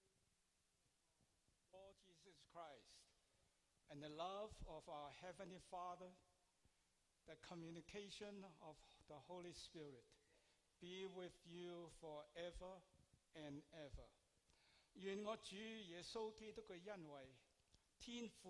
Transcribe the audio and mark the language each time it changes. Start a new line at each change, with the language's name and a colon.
Chinese: 好，我们现在请大家起立，我们要请赵牧师为我们做祝福祷告。
English: Lord Jesus Christ, and the love of our Heavenly Father, the communication of the Holy Spirit, be with you forever and ever.
Chinese: 愿我主耶稣基督的恩惠。